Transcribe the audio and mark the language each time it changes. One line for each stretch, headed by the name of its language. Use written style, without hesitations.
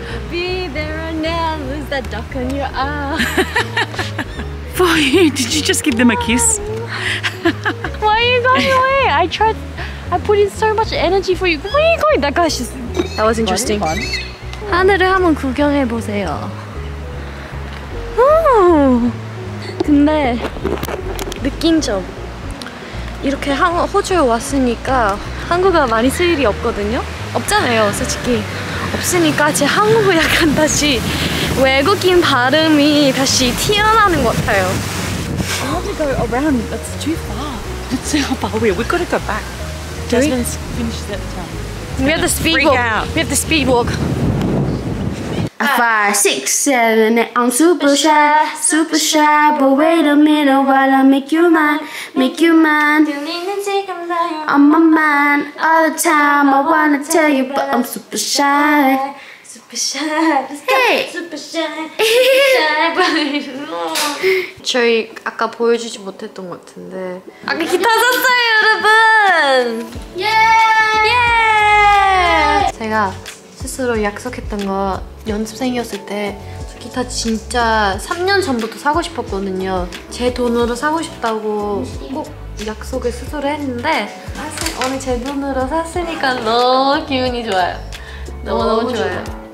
English: Be there and now lose that duck on your arm. For you, did you just give them a kiss? Why are you going away? I tried. I put in so much energy for you. Where are you going? That guy's just... That was interesting.
Korean: 하늘을 한번 구경해보세요. 근데 느낀 점 이렇게 호주에 왔으니까 한국어 많이 쓸 일이 없거든요? 없잖아요 솔직히 없으니까 제 한국어 약간 다시 외국인 발음이 다시 튀어나오는 것 같아요
English: I want to go around, that's too far Let's see how far we are, we've got to go back Jasmine's finished at the time We have the speed walk, we have the speed walk Five, six, seven, eight. I'm super shy, super shy. But wait a minute while I make you mine, make you mine. On my mind all the time. I wanna tell you, but I'm super shy. Super shy. Hey. Super shy. Super shy.
Korean: But 저희 아까 보여주지 못했던 것 같은데 아까 기타 썼어요, 여러분.
English: Yeah. Yeah.
Korean: 제가 스스로 약속했던 거 연습생이었을 때 저 기타 진짜 3년 전부터 사고 싶었거든요 제 돈으로 사고 싶다고 꼭 약속을 스스로 했는데 사실 오늘 제 돈으로 샀으니까 너무 기분이 좋아요 너무너무 좋아요